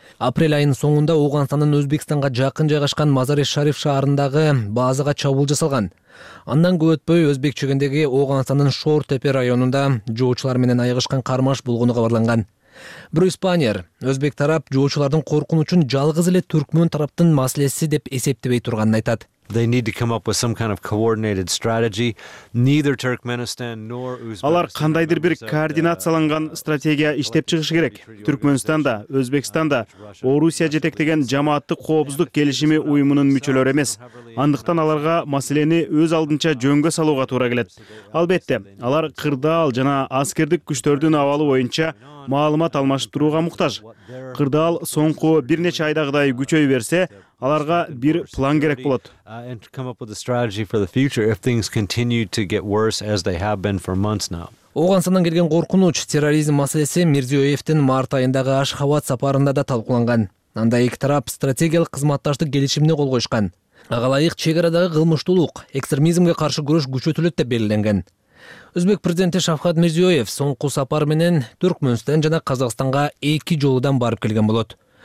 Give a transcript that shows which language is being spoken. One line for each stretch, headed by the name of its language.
Kyrgyz: Апрель айынын соңунда Оогансандын Өзбекстанга жакын жайгашкан Мазар-и-Шариф шаарындагы базага чабуул жасалган. Андан көп өтпөй өзбек чегиндеги Оогансандын Шор Тепе районунда жоочулар менен айыгышкан кармаш болгону кабарланган. Бир испаниер өзбек тарап жолчулардын коркунучун жалгыз эле түркмөн тараптын маселеси деп эсептебей турганын айтат.
English: They need to come up with some kind of coordinated strategy. Neither Turkmenistan nor Uzbekistan.
Kyrgyz: Алар кандайдыр бир координацияланган стратегия иштеп чыгышы керек. Түркмөнстан да, Өзбекстан да Орусия жетектеген жамааттык коопсуздук келишими уюмунун мүчөлөрү эмес. Андыктан аларга маселени өз алдынча жөнгө салууга туура келет. Албетте, алар кырдаал жана аскердик күчтөрдүн абалы боюнча маалымат алмаштырууга муктаж. Кырдаал соңку бир нече айдагыдай күчөй берсе, аларга бир план керек болот.
English: And to come up with a strategy for the future if things continue to get worse as they have been for months now.
Kyrgyz: Оогансандан келген коркунуч терроризм маселеси Мирзиёевдин март айындагы Ашхабад сапарында да талкууланган. Анда эки тарап стратегиялык кызматташтык келишимине кол коюшкан. Ага ылайык чек арадагы кылмыштуулук, экстремизмге каршы күрөш күчөтүлөт деп белгиленген. Өзбек президенти Шавкат Мирзиёев соңку сапар менен Түркмөнстан жана Казакстанга эки жолудан барып келген болот.